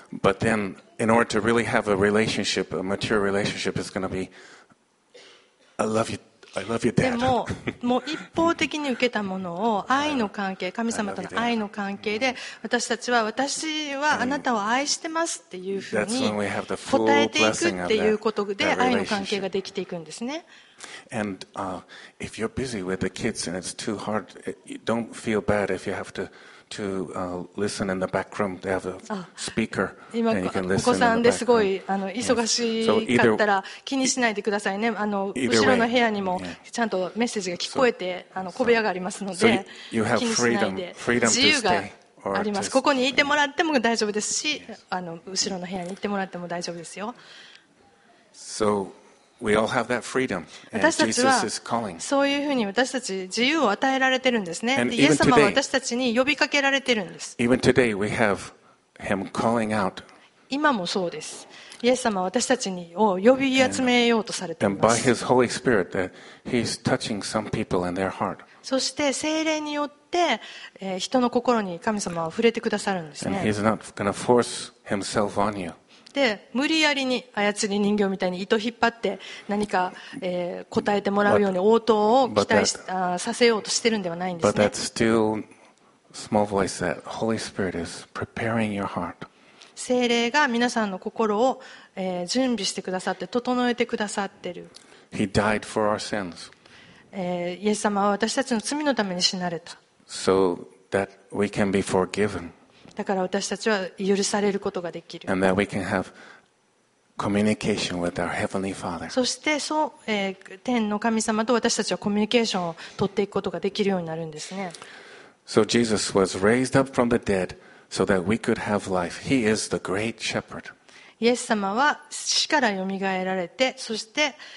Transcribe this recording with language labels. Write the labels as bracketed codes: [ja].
[en] Yeah, but then, in order to really have a relationship, a mature relationship, it's going to be, I love you, Dad. [ja] でも、もう一方的に受けたものを愛の関係、神様との愛の関係で、私はあなたを愛してますっていうふうに答えていくっていうことで、愛の関係ができていくんですね。 [en] And if you're busy with the kids and it's too hard, don't feel bad if you have to. To listen in the back room, they have a speaker, and you can listen. [ja] お子さんですごい忙しかったら気にしないでくださいね。後ろの部屋にもちゃんとメッセージが聞こえて小部屋がありますので、気にしないで。自由があります。ここにいてもらっても大丈夫ですし、後ろの部屋に行ってもらっても大丈夫ですよ。 [en] So we all have that freedom. And Jesus is calling. [ja] そういうふうに私たち自由を与えられてるんですね。イエス様は私たちに呼びかけられてるんです。 [en] Even today we have him calling out. [ja] 今もそうです。イエス様は私たちにを呼び集めようとされています。 [en] And by his Holy Spirit, he's touching some people in their heart. [ja] そして聖霊によって人の心に神様は触れてくださるんですね。 [en] And he's not going to force himself on you. [ja] して無理やりに操り人形みたいに糸引っ張って何か、答えてもらうように応答を期待し [en] that, [ja] させようとしてるんではないんですね。 [en] But that's still small voice that Holy Spirit is preparing your heart. [ja] 聖霊が皆さんの心を、準備してくださって整えてくださってる。 [en] He died for our sins. [ja] イエス様は私たちの罪のために死なれた。 [en] So that we can be forgiven. [ja] だから私たちは許されることができる。 [en] And that we can have communication with our Heavenly Father. [ja] そして天の神様と私たちはコミュニケーションを取っていくことができるようになるんですね。 [en] So Jesus was raised up from the dead so that we could have life. He is the great shepherd. [ja] イエス様は死からよみがえられて、そして、